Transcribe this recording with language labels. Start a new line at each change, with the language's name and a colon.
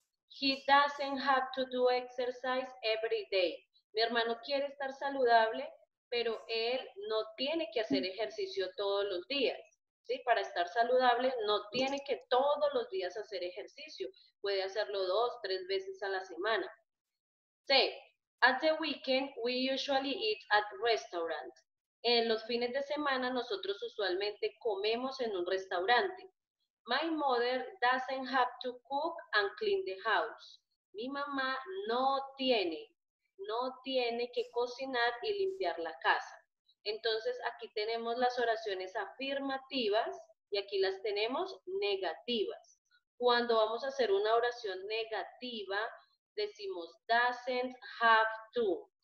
English: He doesn't have to do exercise every day.
Spanish: Mi hermano quiere estar saludable, pero él no tiene que hacer ejercicio todos los días. ¿Sí? Para estar saludable no tiene que todos los días hacer ejercicio. Puede hacerlo 2-3 veces a la semana. C.
English: At the weekend, we usually eat at restaurants.
Spanish: En los fines de semana, nosotros usualmente comemos en un restaurante.
English: My mother doesn't have to cook and clean the house.
Spanish: Mi mamá no tiene que cocinar y limpiar la casa. Entonces, aquí tenemos las oraciones afirmativas y aquí las tenemos negativas. Cuando vamos a hacer una oración negativa, decimos doesn't have to.